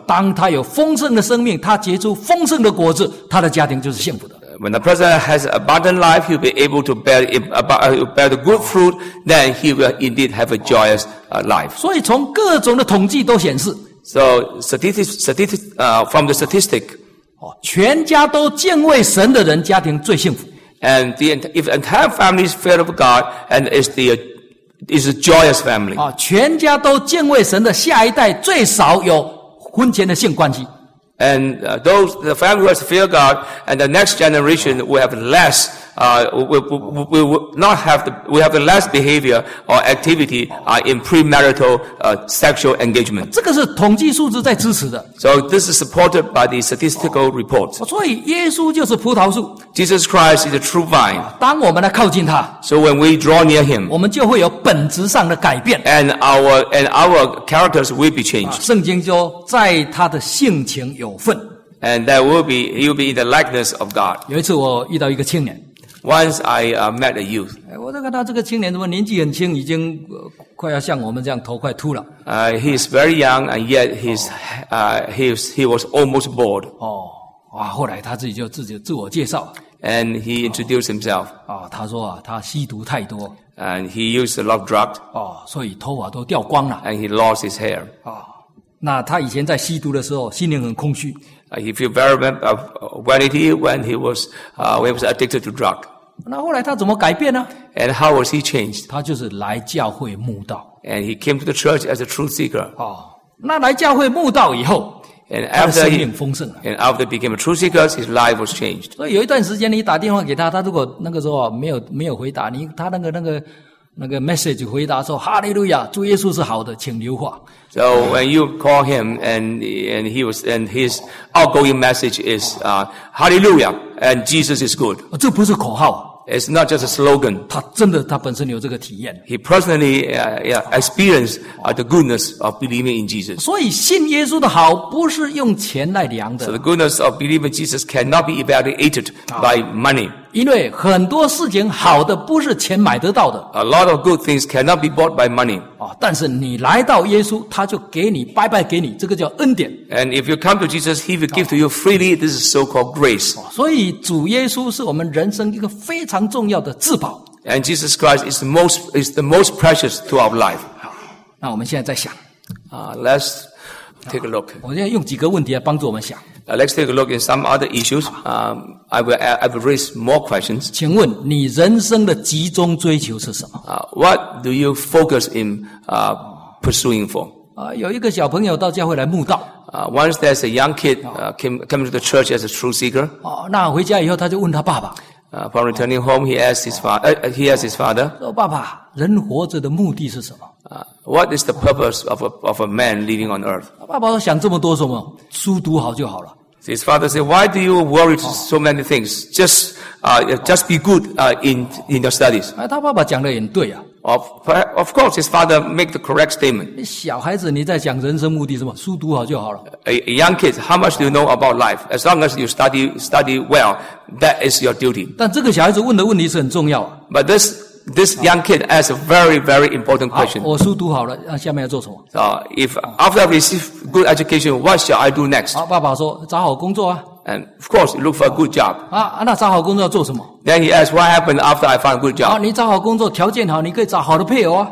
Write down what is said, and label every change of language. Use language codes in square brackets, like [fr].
[zh] 当他有丰盛的生命，他结出丰盛的果子，他的家庭就是幸福的。 [en] When a person has an abundant life, he'll be able to bear the good fruit, then he will indeed have a joyous life. [zh] 所以从各种的统计都显示。 [en] So, from the statistic. [zh] 全家都敬畏神的人家庭最幸福。 [en] And if entire family is fear of God, and is the is a joyous family. [zh] 啊，全家都敬畏神的下一代最少有婚前的性关系。 [en] And those the family who has fear God, and the next generation will have less, will not have the less behavior or activity in premarital sexual engagement. [zh] 这个是统计数字在支持的。 [en] So this is supported by the statistical report. [zh] 所以耶稣就是葡萄树。 [en] Jesus Christ is a true vine. [zh] 当我们来靠近他 [en] ，So when we draw near him, [zh] 我们就会有本质上的改变。 [en] And our characters will be changed. [zh] 圣经说，在他的性情。有份 [en] and that will be you'll be in the likeness of God. [zh] 有一次我遇到一个青年 [en] once I met a youth. [zh] 我就看到这个青年怎么年纪很轻，已经快要像我们这样头快秃了。 [en] He's very young and yet he was almost bald. [zh] 哦，哇！后来他自己自我介绍 [en] and he introduced himself. [zh] 啊，他说啊，他吸毒太多 [en] and he used a lot of drugs. [zh] 哦，所以头发都掉光了 [en] and he lost his hair. 啊。 [zh] 那他以前在吸毒的时候，心灵很空虚。 [en] He feel very vanity when he was addicted to drug. [zh] 那后来他怎么改变呢 [en] ？And how was he changed? [zh] 他就是来教会慕道。 [en] And he came to the church as a truth seeker. [zh] 哦，那来教会慕道以后 [en] ，And after [zh] 他的生命丰盛了。 [en] And after became a truth seeker, his life was changed. [zh] 所以有一段时间，你打电话给他，他如果那个时候没有回答你，他那个 message 回答说：“哈利路亚，主耶稣是好的，请留话。” [en] So when you call him and his outgoing message is Hallelujah and Jesus is good. [zh] 这不是口号。 [en] It's not just a slogan. [zh] 他真的，他本身有这个体验。 [en] He personally experienced the goodness of believing in Jesus. [zh] 所以信耶稣的好不是用钱来量的。 [en] So the goodness of believing Jesus cannot be evaluated by money. [zh] 因为很多事情好的不是钱买得到的。 [en] A lot of good things cannot be bought by money. [zh] 但是你来到耶稣，他就给你白白给你，这个叫恩典。 [en] And if you come to Jesus, He will give to you freely. This is so-called grace. [zh] 所以主耶稣是我们人生一个非常重要的至宝。 [en] And Jesus Christ is the most precious to our life. [zh] 那我们现在在想。 [en] Let's take a look. [zh] 我现在用几个问题来帮助我们想。 [en] Let's take a look at some other issues. I will raise more questions. [zh] 请问你人生的集中追求是什么？ [en] What do you focus in pursuing for? [zh] 有一个小朋友到教会来慕道。 [en] Once there's a young kid came to the church as a truth seeker. [zh] 那回家以后他就问他爸爸。 [en] Upon returning home, he asked his father. [zh] 说爸爸，人活着的目的是什么？ [en] What is the purpose of a man living on earth? [zh] 爸爸说想这么多什么？书读好就好了。 [en] His father said, "Why do you worry so many things? Just be good in your studies." [zh] 他爸爸讲的也对啊。 [en] Of course, his father made the correct statement. [zh] 小孩子你在讲人生目的是吗？书读好就好了。 [en] A young kid, how much do you know about life? As long as you study well, that is your duty. [zh] 但这个小孩子问的问题是很重要啊。 [en] But this young kid asked a very, very important question. [zh] 我书读好了，下面要做什么？ [en] If after I receive good education, what shall I do next? [zh] 爸爸说，找好工作啊。 [en] And of course, you look for a good job. [zh] 那找好工作要做什么？ [en] Then he asked, "What happened after I found a good job?" [zh] 你找好工作，条件好，你可以找好的配偶啊。